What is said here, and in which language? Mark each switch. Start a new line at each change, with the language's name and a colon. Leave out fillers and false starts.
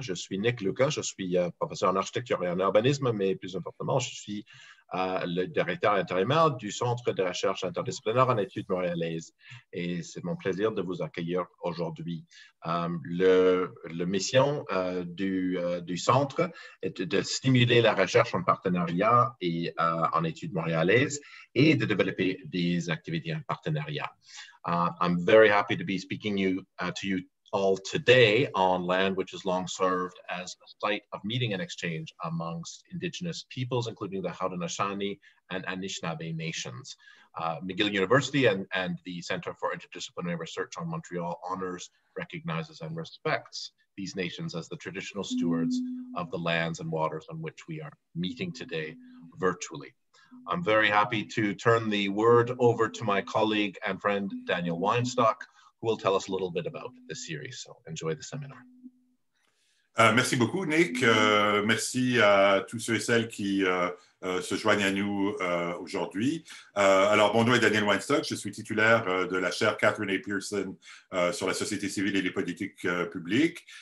French: Je suis Nick Lucas, je suis professeur en architecture et en urbanisme, mais plus importantement, je suis le directeur intérimaire du Centre de recherche interdisciplinaire en études montréalaises. Et c'est mon plaisir de vous accueillir aujourd'hui. La mission du Centre est de stimuler la recherche en partenariat et en études montréalaises et de développer des activités en partenariat.
English: I'm very happy to be speaking to you all today on land which has long served as a site of meeting and exchange amongst Indigenous peoples, including the Haudenosaunee and Anishinaabe nations. McGill University and the Center for Interdisciplinary Research on Montreal honors, recognizes, and respects these nations as the traditional stewards of the lands and waters on which we are meeting today virtually. I'm very happy to turn the word over to my colleague and friend, Daniel Weinstock, who will tell us a little bit about the series. So enjoy the seminar.
French: Merci beaucoup, Nick. Merci à tous ceux et celles qui se joignent à nous aujourd'hui. Alors, mon nom est Daniel Weinstock, je suis titulaire de la chaire Catherine A. Pearson sur la société civile et les politiques publiques.